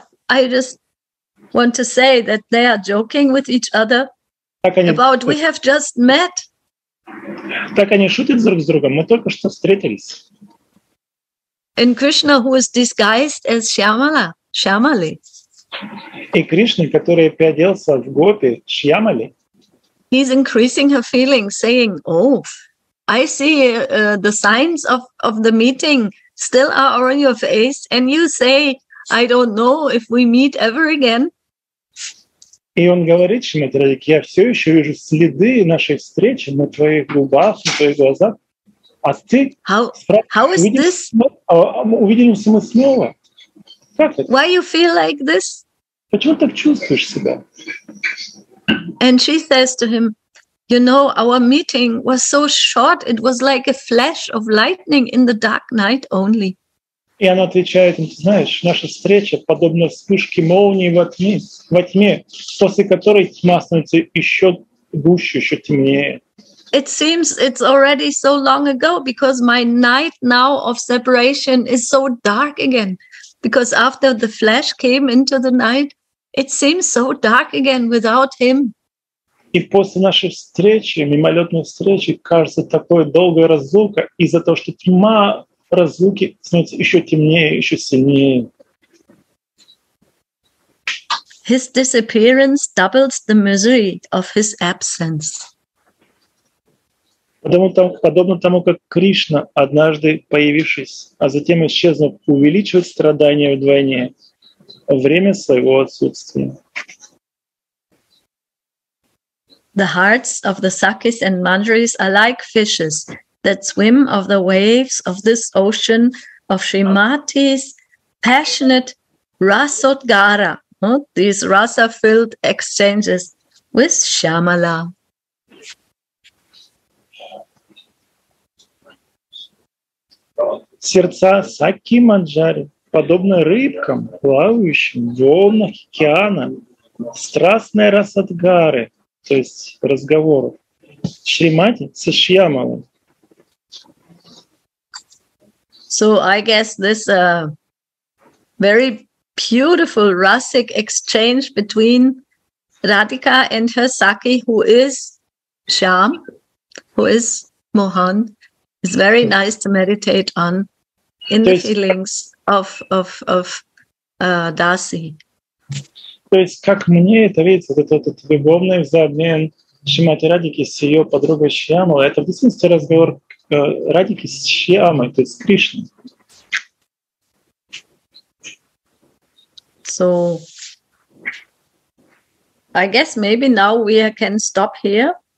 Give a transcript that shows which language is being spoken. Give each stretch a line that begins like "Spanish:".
English: I just want to say that they are joking with each other about we have just met.
Russian: Так они шутят друг с другом, мы только что встретились.
English: And Krishna, who is disguised as Shyamali.
Russian: И Кришна, который переоделся в гопи Шьямали,
English: he's increasing her feelings, saying, "Oh, I see the signs of the meeting still are on your face, and you say I don't know if we meet ever again.
Russian: И он говорит, Шимадрадик, я все еще вижу следы нашей встречи на твоих губах, на твоих глазах. А ты увидимся мы снова.
English: Why you feel like this?
Russian: Почему так чувствуешь себя?
English: And she says to him, you know, our meeting was so short, it was like a flash of lightning in the dark night only.
Russian: И она отвечает, знаешь, наша встреча подобна вспышке молнии во тьме, после которой тьма становится еще гуще, еще темнее.
English: It seems it's already so long ago, because my night now of separation is so dark again. Because after the flash came into the night, it seems so dark again without him.
Russian: И после нашей встречи, мимолетной встречи, кажется такое долгое разлука из-за того, что тьма разлуки становится еще темнее, еще сильнее.
English: His disappearance doubles the misery of his absence.
Russian: Подобно тому, как Кришна, однажды появившись, а затем исчезнув, увеличивает страдания вдвойне во время своего отсутствия.
English: The hearts of the Sakis and Manjaris are like fishes that swim of the waves of this ocean of Shrimati's passionate rasodgara, these rasa-filled exchanges with Shyamala.
Russian: Сердца Сакхи Манджари, подобно рыбкам, плавающим в волнах океана, страстной расадгары, то есть разговору, Шримати со Шьямалой.
English: So I guess this very beautiful rasic exchange between Radhika and her Sakhi, who is Shyam, who is Mohan, it's very nice to meditate on in the feelings of Dasi.
Russian: То есть, как мне это видится, этот любовный взаимообмен Шримати Радики с ее подругой Шьямой, это в смысле разговор Радики с Шьямой, то есть с Кришной.
English: So, I guess maybe now we can stop here.